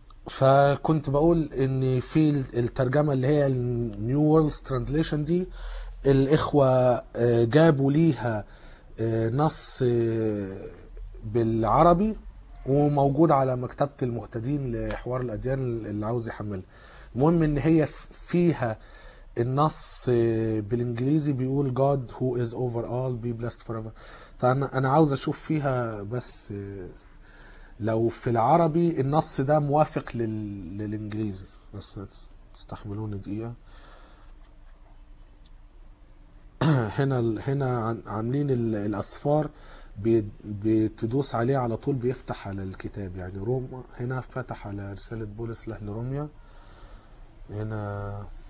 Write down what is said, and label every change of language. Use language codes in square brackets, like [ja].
[ar] فكنت بقول ان في الترجمة اللي هي New World Translation دي، الاخوة جابوا ليها نص بالعربي وموجود على مكتبة المهتدين لحوار الأديان اللي عاوز يحمل. المهم ان هي فيها النص بالانجليزي بيقول [en] God who is over all be blessed forever. [ar] انا عاوز اشوف فيها بس لو في العربي النص ده موافق للانجليزي، بس تستحملوني دقيقة. هنا عاملين الاصفار بتدوس عليه على طول بيفتح على الكتاب، يعني روما هنا فتح على رسالة بولس لأهل روميا، هنا